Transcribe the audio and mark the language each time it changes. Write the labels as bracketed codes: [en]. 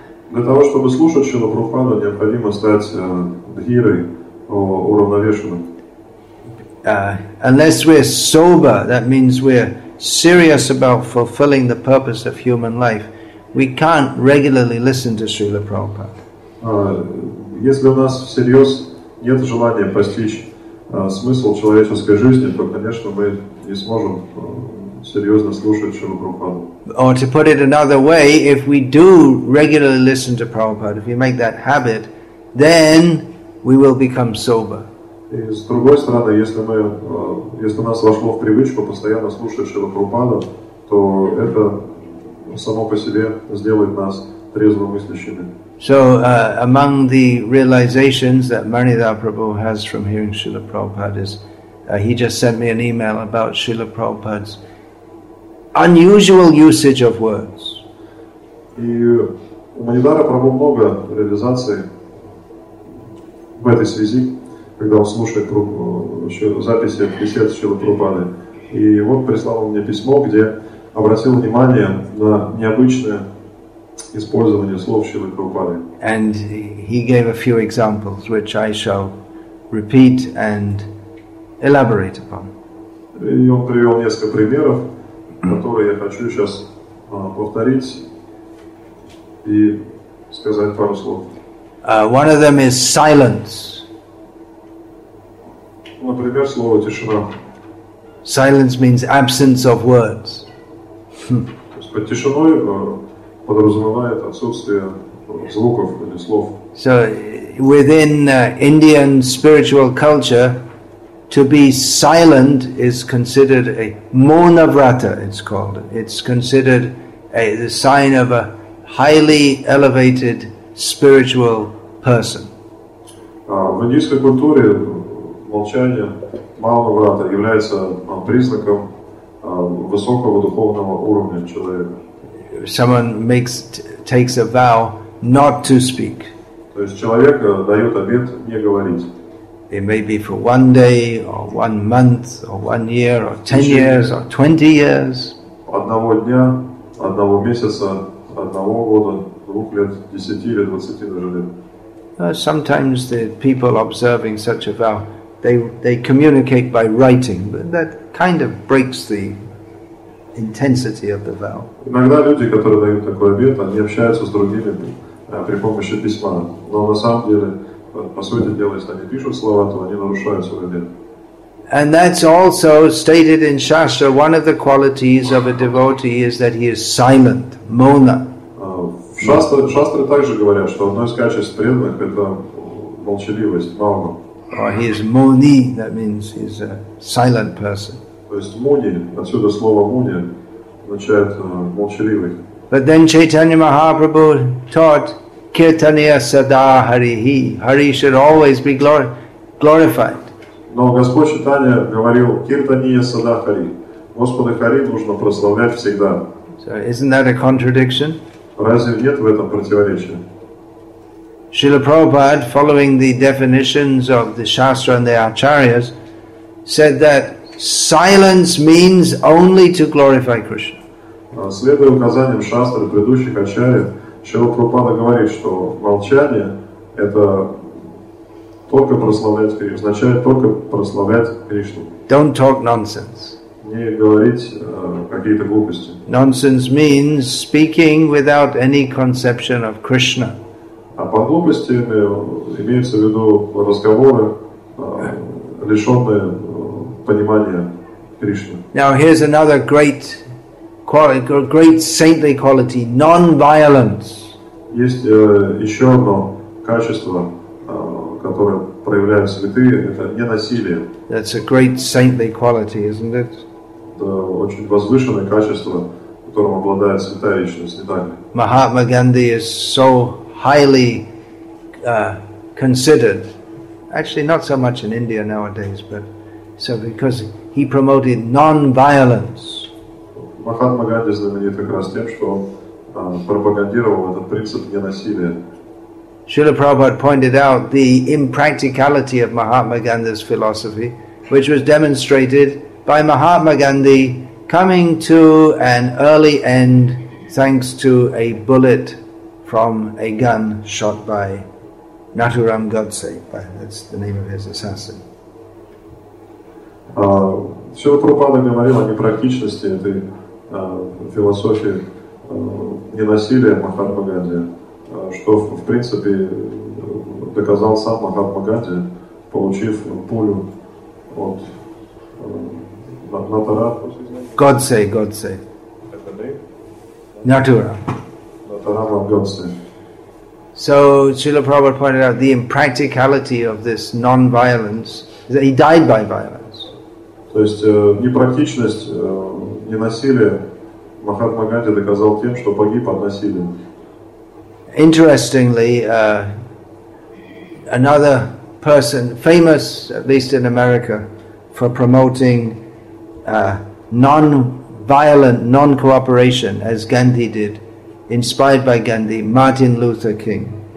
[ru] Для того, чтобы слушать Шрилу Прабхупаду, необходимо стать дхирой, уравновешенным. [en] Unless we're sober, that means we're serious about fulfilling the purpose of human life, we can't regularly listen to Srila Prabhupada. [ru] Если у нас всерьез нет желания постичь смысл человеческой жизни, то, конечно, мы не сможем серьезно слушать Шрилу Прабхупаду. [en] Or to put it another way, if we do regularly listen to Prabhupada, if we make that habit, then we will become sober. [ru] И с другой стороны, если у нас вошло в привычку постоянно слушать Шрилу Прабхупаду, то это само по себе сделает нас трезвомыслящими. [en] So, among the realizations that Manidhar Prabhu has from hearing Srila Prabhupada is, he just sent me an email about Srila Prabhupada's unusual usage of words. [ru] И у Манидара Прабху много реализаций в этой связи, когда он слушает записи бесед Шрилы Прабхупады. И вот прислал мне письмо, где обратил внимание на необычное использование слов Шрилы Прабхупады. [en] And he gave a few examples, which I shall repeat and elaborate upon. [ru] И он привел несколько примеров, которые я хочу сейчас повторить и сказать пару слов. [en] One of them is silence. [ru] Например, слово тишина. [en] Silence means absence of words. [ru] То есть под тишиной подразумевает отсутствие звуков или слов. [en] So within Indian spiritual culture, to be silent is considered a monavrata, it's called. It's considered the sign of a highly elevated spiritual person. [ru] В индийской культуре молчание, манаврата, является признаком высокого духовного уровня человека. [en] Someone takes a vow not to speak. [ru] То есть человек дает обет не говорить. [en] It may be for one day, or one month, or one year, or 10 years, or 20 years. [ru] Одного дня, одного месяца, одного года, двух лет, десяти или двадцати даже лет. [en] Sometimes the people observing such a vow, they communicate by writing, but that kind of breaks the intensity of the vow. [ru] Иногда люди, которые дают такой обет, они общаются с другими при помощи письма, но на самом деле, по сути дела, если они пишут слова, то они нарушают свой обет. [en] And that's also stated in Shastra. One of the qualities of a devotee is that he is silent, mona. [ru] В Шастре также говорят, что одно из качеств преданных — это молчаливость, мауна. [en] Or he is moni, that means he's a silent person. [ru] То есть муни, отсюда слово муни, означает молчаливый. [en] But then Chaitanya Mahaprabhu taught [sa] Kirtaniya sada harihi. [en] Hari should always be glorified. [ru] Но Господь Читания говорил, [sa] Kirtaniya sada hari. [ru] Господа Хари нужно прославлять всегда. [en] So isn't that a contradiction? [ru] Разве нет в этом противоречия? [en] Srila Prabhupada, following the definitions of the Shastra and the Acharyas, said that silence means only to glorify Krishna. [ru] Следуя указаниям Шастры предыдущих Ачарьев, Шрила Прабхупада говорит, что молчание — это только прославлять Кришну, означает только прославлять Кришну. [en] Don't talk nonsense. [ru] Не говорить какие-то глупости. [en] Nonsense means speaking without any conception of Krishna. [ru] А по глупости имеется в виду разговоры, лишенные понимания Кришны. [en] Now here's another great saintly quality: non-violence. [ru] Есть еще одно качество, которое проявляют святые, это ненасилие. [en] That's a great saintly quality, isn't it? [ru] Это очень возвышенное качество, которым обладает святая личность, не так ли? [en] Mahatma Gandhi is so highly considered. Actually, not so much in India nowadays, but so because he promoted non-violence. [ru] Mahatma Gandhi знаменит как раз тем, что пропагандировал этот принцип ненасилия. [en] Srila Prabhupada pointed out the impracticality of Mahatma Gandhi's philosophy, which was demonstrated by Mahatma Gandhi coming to an early end thanks to a bullet from a gun shot by Nathuram Godse, that's the name of his assassin. [ru] Шрила Прабхупада говорил о непрактичности этой философии ненасилия Махатма Ганди, что в принципе доказал сам Махатма Ганди, получив пулю от Натарама. [en] Godse. [ru] Натарама Годсе. [en] So Srila Prabhupada pointed out the impracticality of this non-violence, that he died by violence. [ru] То есть непрактичность ненасилия Махатма Ганди доказал тем, что погиб от насилия. [en] Interestingly, another person, famous at least in America, for promoting non-violent non-cooperation as Gandhi did, inspired by Gandhi, Martin Luther King.